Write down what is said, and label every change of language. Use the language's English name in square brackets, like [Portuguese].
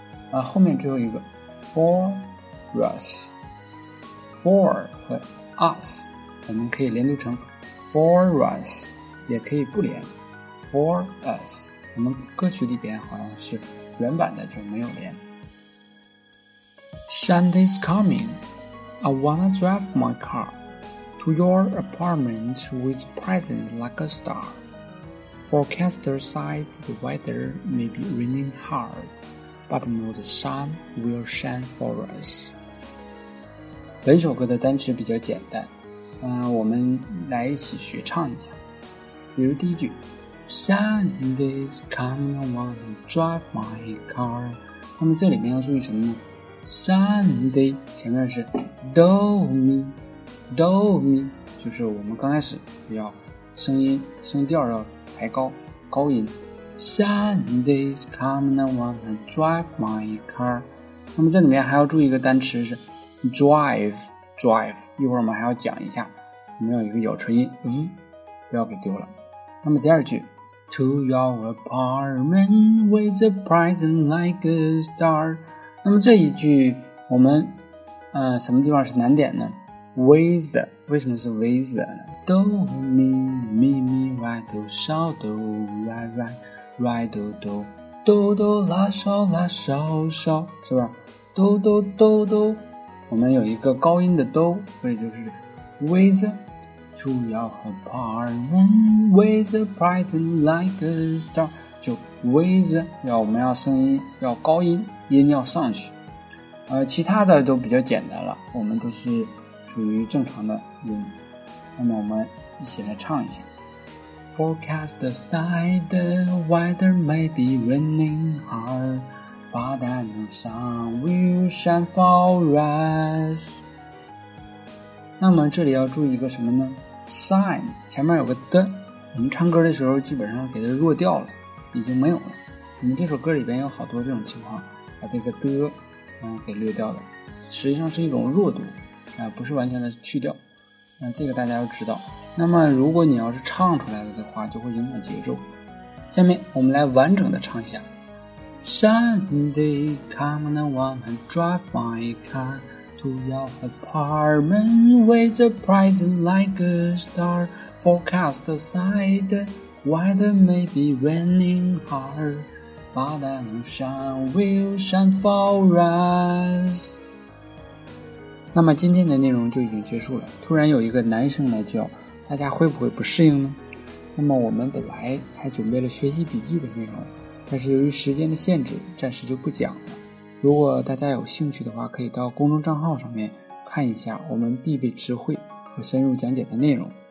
[Chinese] 后面最后一个 [English] for us， [Chinese] for 和 us 我们可以连读成 for us， 也可以不连 for us。我们歌曲里边好像是原版的就没有连。 [English] Sunday's coming, I wanna drive my car to your apartment with present like a star. Forecast side, the weather may be raining hard, but know the sun will shine for us. [Chinese] 本首歌的单词比较简单，我们来一起学唱一下。比如第一句， [English] Sunday's coming, I wanna drive my car。 [Chinese] 那么这里面要注意什么呢？Sunday 前面是 Do me Do me， 就是我们刚开始要声音声调要抬高高音。 Sunday's coming, I wanna drive my car。那么这里面还要注意一个单词是 drive drive， 一会儿我们还要讲一下，我们要一个咬唇音、不要给丢了。那么第二句 [English] To your apartment with a present like a star。 [Chinese] 那么这一句我们什么地方是难点呢？ With， 为什么是 with？ Do me me me right do so do right right right do do do do la so la so so， 是吧？ Do do do do， 我们有一个高音的 do， 所以就是 [English] withTo your apartment with a present like a star， [Chinese] 就 with 要我们要声音要高音，音要上去，其他的都比较简单了，我们都是属于正常的音。那么我们一起来唱一下 [English] forecast the side, the weather may be raining hard, but I know sun will shine for us. [Chinese] 那么这里要注意一个什么呢？Side 前面有个的，我们唱歌的时候基本上给它弱掉了，已经没有了。我们这首歌里边有好多这种情况，把这个的给略掉了，实际上是一种弱度，不是完全的去掉，这个大家要知道。那么如果你要是唱出来了的话，就会影响节奏。下面我们来完整的唱一下。 [English] Sunday, come and I wanna drive my car to your apartment with a present like a star. Forecast aside, weather may be raining hardBut I know sun will shine for us. [Chinese] 那么今天的内容就已经结束了。突然有一个男生来叫，大家会不会不适应呢？那么我们本来还准备了学习笔记的内容，但是由于时间的限制，暂时就不讲了。如果大家有兴趣的话，可以到公众账号上面看一下我们必备词汇和深入讲解的内容。